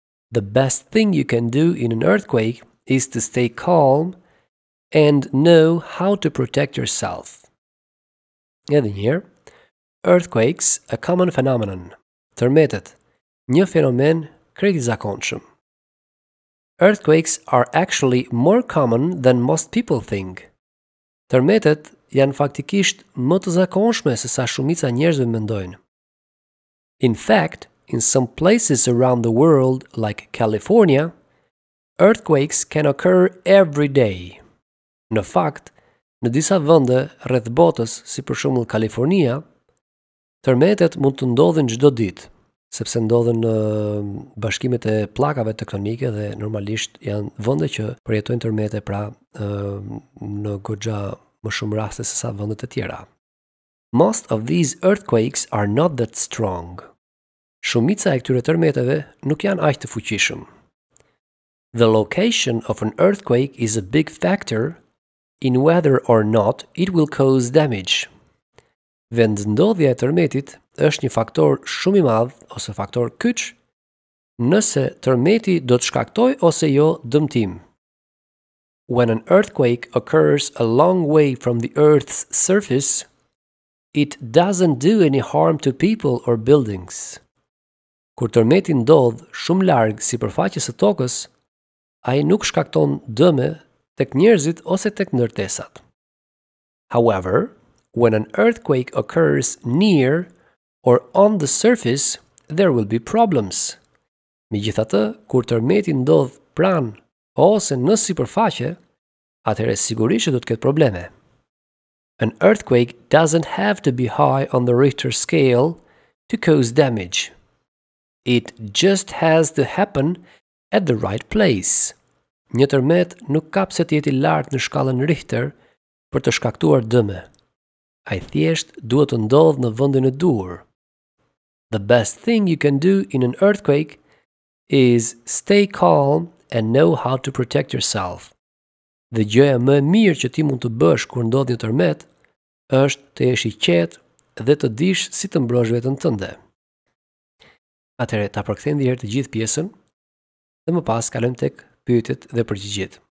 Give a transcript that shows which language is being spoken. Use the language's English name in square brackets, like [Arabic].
[English] The best thing you can do in an earthquake is to stay calm and know how to protect yourself. [Albanian] Edhe njëherë, [English] earthquakes, a common phenomenon. [Albanian] Tërmetet, një fenomen krejt I zakonshëm. [English] Earthquakes are actually more common than most people think. [Albanian] Tërmetet janë faktikisht më të zakonshme se sa shumica njerëzve mendojnë. [English] In fact, in some places around the world, like California, earthquakes can occur every day. [Albanian] Në fakt, në disa vende rreth botës, si për shembull Kalifornia, tërmetet mund të ndodhin çdo ditë, sepse ndodhen në bashkimet e pllakave tektonike dhe normalisht janë vende që përjetojnë tërmete, pra në goxha më shumë raste se sa vendet e tjera. [English] Most of these earthquakes are not that strong. [Albanian] Shumica e këtyre tërmeteve nuk janë aq të fuqishëm. [English] The location of an earthquake is a big factor in whether or not it will cause damage. [Albanian] Vendndodhja e tërmetit është një faktor shumë I madh ose faktor kyç nëse tërmeti do të shkaktojë ose jo dëmtim. [English] When an earthquake occurs a long way from the Earth's surface, it doesn't do any harm to people or buildings. [Albanian] Kur tërmeti ndodh shumë larg sipërfaqes së tokës, ai nuk shkakton dëme tek njerëzit ose tek ndërtesat. [English] However, when an earthquake occurs near or on the surface, there will be problems. [Albanian] Megjithatë, kur tërmeti ndodh pranë ose në sipërfaqe, atëherë sigurisht do të ketë probleme. [English] An earthquake doesn't have to be high on the Richter scale to cause damage. It just has to happen at the right place. [Albanian] Një tërmet nuk ka pse të jetë I lartë në shkallën Richter për të shkaktuar dëme. Ai thjesht duhet të ndodhë në vendin e duhur. [English] The best thing you can do in an earthquake is stay calm and know how to protect yourself. [Albanian] Dhe gjëja më e mirë që ti mund të bësh kur ndodh një tërmet është të jesh I qetë dhe të dish si të mbrosh veten tënde. Atëherë ta përkthejmë edhe herë të gjithë pjesën dhe më pas kalojmë tek pyetjet dhe përgjigjet.